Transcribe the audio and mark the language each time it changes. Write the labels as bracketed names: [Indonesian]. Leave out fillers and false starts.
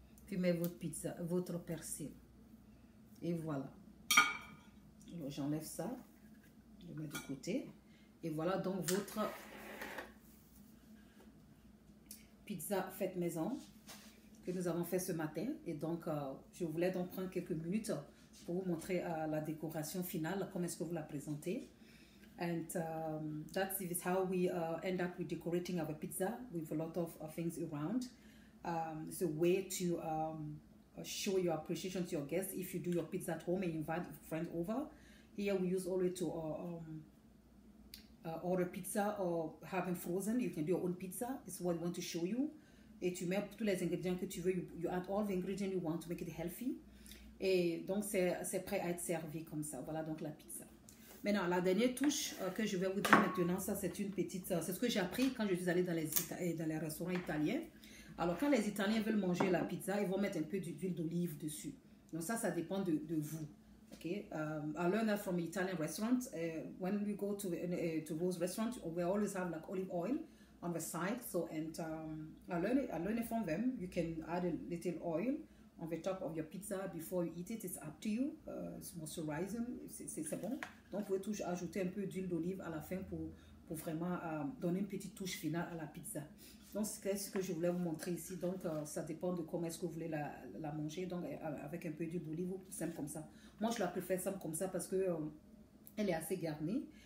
[French] Puis mets votre pizza, votre persil. Et voilà. Alors j'enlève ça. Je mets de côté. Et voilà donc votre pizza faite maison que nous avons fait ce matin. Et donc, je voulais donc prendre quelques minutes pour vous montrer la décoration finale, comment est-ce que vous la présentez. [English] That's how we end up with decorating our pizza with a lot of things around. It's a way to show your appreciation to your guests if you do your pizza at home and invite friends over. Here we use only to order pizza or having frozen. You can do your own pizza. It's what we want to show you. [French] Et tu mets tous les ingrédients que tu veux. [English] You add all the ingredients you want to make it healthy. [French] Et donc c'est prêt à être servi comme ça. Voilà donc la pizza. Maintenant la dernière touche que je vais vous dire maintenant, ça c'est une petite. C'est ce que j'ai appris quand je suis allée dans les restaurants italiens. Alors, quand les Italiens veulent manger la pizza, ils vont mettre un peu d'huile d'olive dessus. Donc, ça dépend de vous. [English] Okay? I learned that from an Italian restaurant. When we go to those restaurants, we always have like olive oil on the side. So, I learned it from them. You can add a little oil on the top of your pizza before you eat it. It's up to you. It's moisturizing. [French] C'est bon. Donc, vous pouvez toujours ajouter un peu d'huile d'olive à la fin pour vraiment donner une petite touche finale à la pizza. Donc, c'est ce que je voulais vous montrer ici. Donc, ça dépend de comment est-ce que vous voulez la manger. Donc, avec un peu d'huile d'olive, simple comme ça. Moi, je la préfère simple comme ça parce que elle est assez garnie.